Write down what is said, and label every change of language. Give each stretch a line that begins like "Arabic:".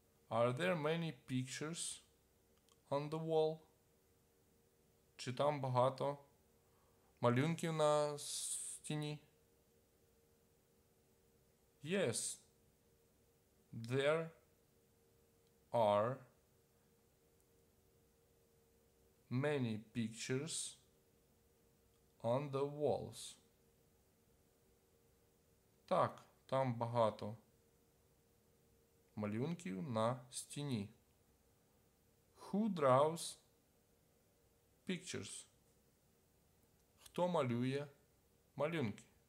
English: Are there many pictures on the wall?
Ukrainian: Чи там багато малюнків на стіні?
English: Yes, there are many pictures on the walls.
Ukrainian: Так, там багато малюнків на стіні.
English: Who draws pictures?
Ukrainian: Хто малює малюнки?